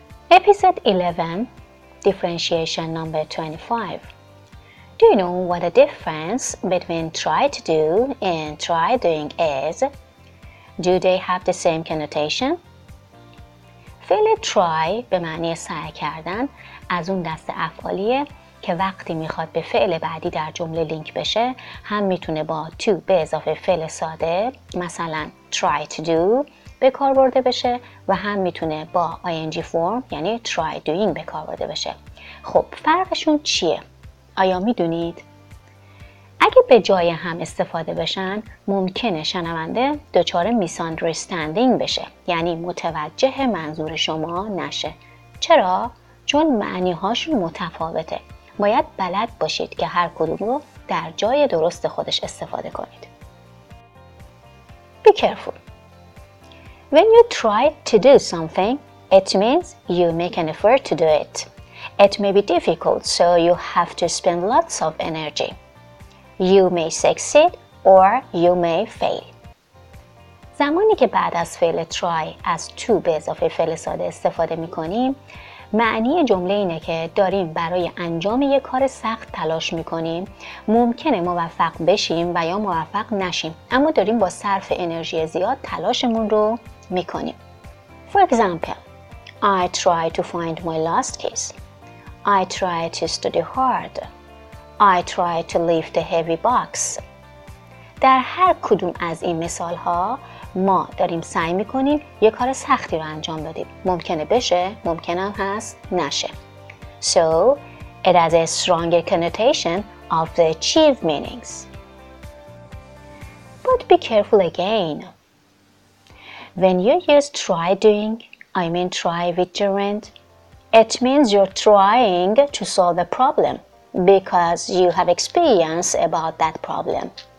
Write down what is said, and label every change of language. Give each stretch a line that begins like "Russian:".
English: Episode 11, Differentiation number 25. Do you know what the difference between try to do and try doing is? Do they have the same connotation?
Persian: فعل try به معنی سعی کردن از اون دست افعالیه که وقتی میخواد به فعل بعدی در جمله لینک بشه هم میتونه با to به اضافه فعل ساده مثلا try to do به کار برده بشه و هم میتونه با ing form یعنی try doing به کار برده بشه. خب فرقشون چیه؟ آیا میدونید؟ اگه به جای هم استفاده بشن ممکنه شنونده دچار misunderstanding بشه، یعنی متوجه منظور شما نشه. چرا؟ چون معنی هاشون متفاوته. باید بلد باشید که هر کدوم رو در جای درست خودش استفاده کنید.
English: Be careful. When you try to do something, it means you make an effort to do it. It may be difficult, so you have to spend lots of energy. You may succeed or you may fail.
Persian: زمانی که بعد از فعل try از to به اضافه فعل ساده استفاده می کنیم، معنی جمله اینه که داریم برای انجام یک کار سخت تلاش میکنیم. ممکنه موفق بشیم و یا موفق نشیم، اما داریم با صرف انرژی زیاد تلاشمون رو میکنیم.
English: For example, I try to find my last keys. I try to study hard. I try to lift the heavy box.
Persian: در هر کدوم از این مثال ها ما داریم سعی میکنیم یه کار سختی رو انجام بدیم. ممکنه بشه، ممکنم هست، نشه.
English: So, it has a stronger connotation of the achieved meanings. But be careful again. When you use try doing, I mean try with gerund, it means you're trying to solve a problem because you have experience about that problem.